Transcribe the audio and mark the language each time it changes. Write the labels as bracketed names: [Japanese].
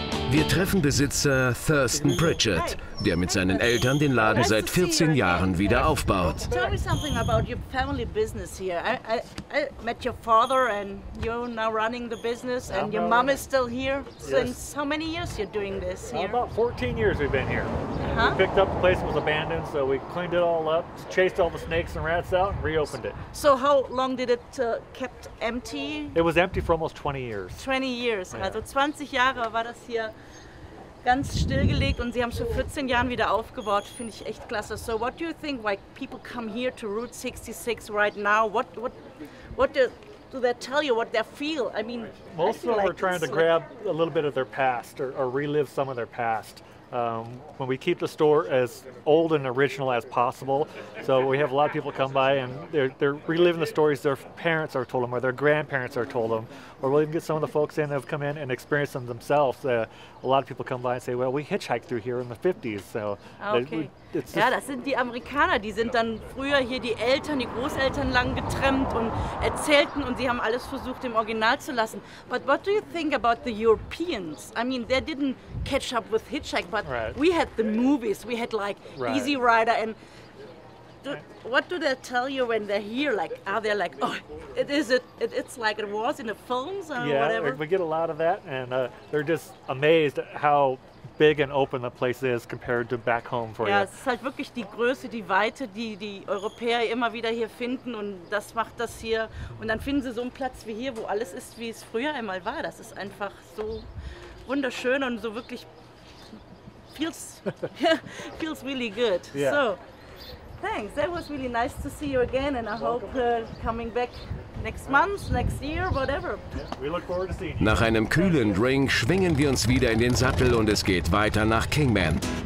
[German] Wir treffen Besitzer Thurston Pritchard, der mit seinen Eltern den Laden seit 14 Jahren wieder aufbaut. [English] Tell me something about your family business here. I met your father and you're now running the business and your mom is still here. Since how many years you're doing this here? About 14 years we've been here. We picked up the place that was abandoned, so we cleaned it all up, chased all the snakes and rats out, and reopened it. So how long did it kept empty? It was empty for almost 20 years. 20 years. Yeah. [German] Also 20 Jahre war das hier ganz stillgelegt und sie haben es vor 14 Jahren wieder aufgebaut. Finde ich echt klasse. [English] So what do you think, like people come here to Route 66 right now? What do they tell you? What they feel? I mean, most of them are trying to grab a little bit of their past or relive some of their past. When we keep the store as old and original as possible, so we have a lot of people come by and they're reliving the stories their parents are told them or their grandparents are told them, or we'll even get some of the folks in that have come in and experienced them themselves. A lot of people come by and say, well, we hitchhiked through here in the 50s, so. Okay. [German] Ja, das sind die Amerikaner, die sind dann früher hier die Eltern, die Großeltern lang getrennt und erzählten und sie haben alles versucht im Original zu lassen. [English] But what do you think about the Europeans? I mean, they didn't catch up with hitchhike, but we had the movies, we had like Easy Rider and what do they tell you when they're here? Like, are they like, oh, it's like it was in the films or whatever? Yeah, we get a lot of that and they're just amazed at how big and open the place is compared to back home for you. [German] Ja, es ist halt wirklich die Größe, die Weite, die Europäer immer wieder hier finden und das macht das hier. Und dann finden sie so einen Platz wie hier, wo alles ist, wie es früher einmal war. Das ist einfach so wunderschön und so wirklich [English] feels really good. Yeah. So, thanks. That was really nice to see you again and I hope coming back next month, next year, whatever. We look forward to seeing you. [German] Nach einem kühlen Drink schwingen wir uns wieder in den Sattel und es geht weiter nach Kingman.